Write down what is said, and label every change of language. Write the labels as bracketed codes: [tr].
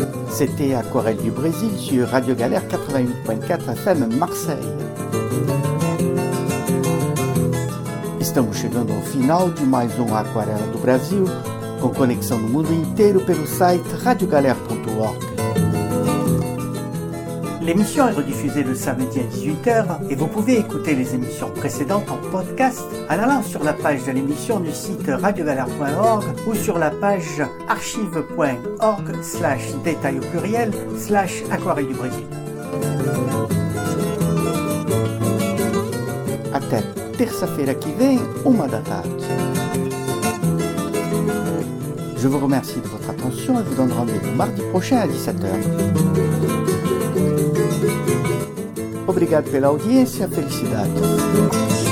[fr] C'était Aquarelle du Brésil sur Radio Galère 88.4 FM Marseille. [pt] Estamos chegando ao final de mais Aquarela do Brasil, com conexão no mundo inteiro pelo site radiogalère.org. [fr] L'émission est rediffusée le samedi à 18h et vous pouvez écouter les émissions précédentes en podcast en allant sur la page de l'émission du site radiogalère.org ou sur la page archive.org/détails au pluriel/aquarelle du Brésil. [pt] Até terça-feira que vem, 1 da tarde. [fr] Je vous remercie de votre attention et vous donne rendez-vous mardi prochain à 17h. [pt] Obrigado pela audiência, felicidade.